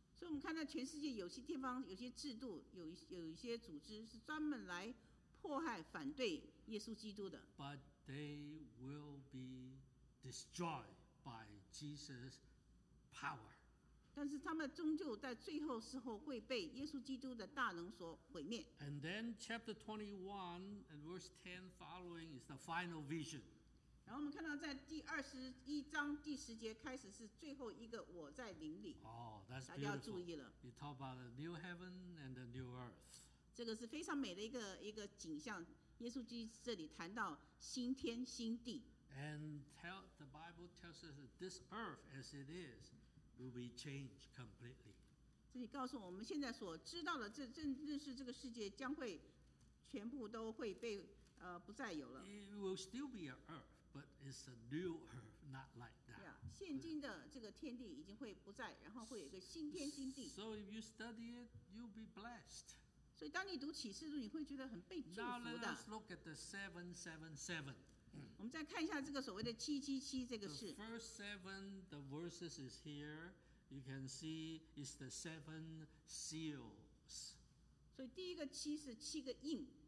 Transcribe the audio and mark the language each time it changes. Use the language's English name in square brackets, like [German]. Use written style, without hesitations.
[Chinese] 所以我们看到全世界有些地方、有些制度、有一些组织是专门来迫害、反对耶稣基督的。 [English] But they will be destroyed by Jesus. Power. [Chinese] 但是他们终究在最后时候会被耶稣基督的大能所毁灭。 [English] And then chapter 21 and verse 10 following is the final vision. [Chinese] 然后我们看到在第二十一章第十节开始是最后一个我在灵里。 [English] Oh, that's beautiful. [Chinese] 大家要注意了。 [English] You talk about the new heaven and the new earth. [Chinese] 这个是非常美的一个景象。耶稣基督这里谈到新天新地。 [English] And the Bible tells us that this earth as it is will be changed completely. [Chinese] 这里告诉我们现在所知道的认识这个世界将会全部都会被不再有了。 [English] It will still be an earth, but it's a new earth, not like that. Yeah, [Chinese] 现今的这个天地已经会不在，然后会有一个新天新地。 [English] So if you study it, you'll be blessed. [Chinese] 所以当你读启示录，你会觉得很被祝福的。 [English] Now let us look at the 777. [Chinese] 我们再看一下这个所谓的七七七这个事。 [English] The first seven, the verses is here. You can see it's the seven seals. [Chinese] 所以第一个七是七个印。